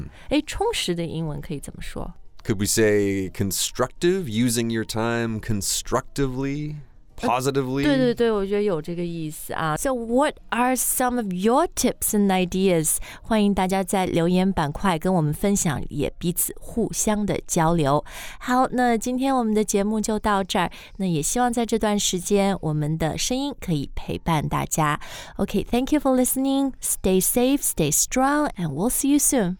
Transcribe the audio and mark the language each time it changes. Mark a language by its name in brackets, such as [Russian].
[Chinese] 哎，充实的英文可以怎么说？ [English] Could we say constructive, using your time constructively, positively? [Chinese] 对对对，我觉得有这个意思啊。 [English] So what are some of your tips and ideas? [Chinese] 欢迎大家在留言板块跟我们分享，也彼此互相的交流。好，那今天我们的节目就到这儿。那也希望在这段时间，我们的声音可以陪伴大家。 [English] Okay, thank you for listening. Stay safe, stay strong, and we'll see you soon.